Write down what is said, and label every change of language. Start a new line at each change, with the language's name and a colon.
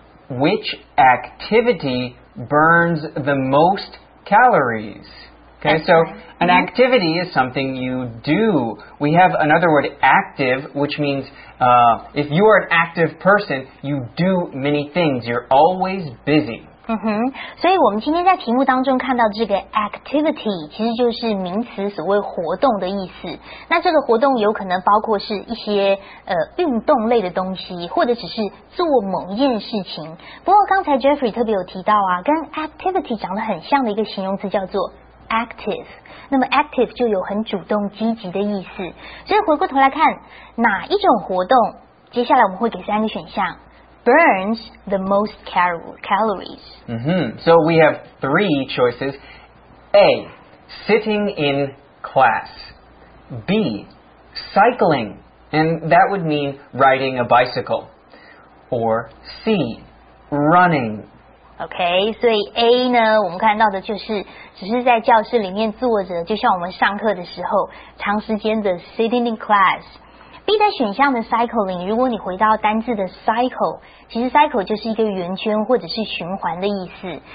English: Which activity burns the most calories? Okay, so an activity is something you do. We have another word, active, which means, if you are an active person, you do many things. You're always busy.
Chinese: 嗯哼，所以我们今天在题目当中看到这个 activity 其实就是名词所谓活动的意思。那这个活动有可能包括是一些运动类的东西，或者只是做某一件事情。不过刚才 Jeffrey 特别有提到啊，跟 activity 长得很像的一个形容词叫做active, 那么 active 就有很主动积极的意思。所以回过头来看哪一种活动接下来我们会给三个选项
English: burns the most calories. Mm-hmm. So we have three choices. A, sitting in class. B, cycling. And that would mean riding a bicycle. Or C, running.
Chinese: OK, 所以 A 呢我们看到的就是只是在教室里面坐着就像我们上课的时候长时间的
English: sitting in class
Chinese: B 的选项的 cycling， 如果你回到单字的 cycle， 其实 cycle 就是一个圆圈或者是循环的意思。